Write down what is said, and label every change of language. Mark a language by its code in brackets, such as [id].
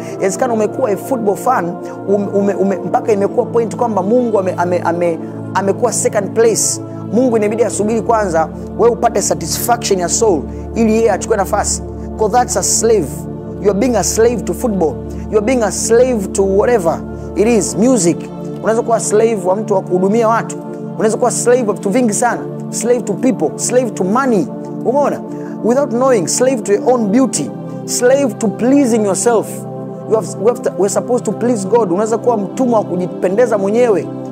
[sw] Inawezekana umekuwa [en] a football fan [sw] mpaka imekuwa point kwamba Mungu amekuwa [en] second place. [sw] Mungu inabidi asubiri kwanza wewe upate satisfaction ya soul ili yeye achukue nafasi. [en] Because that's a slave. You are being a slave to football. You are being a slave to whatever it is, music. [sw] Unaweza kuwa slave wa mtu wa kuhudumia watu. Unaweza kuwa slave wa vitu vingi sana. [en] Slave to people, slave to money. Umeona? Without knowing, slave to your own beauty, slave to pleasing yourself. We're supposed to please God. [sw] Unaweza kuwa mtumwa wa kujipendeza mwenyewe.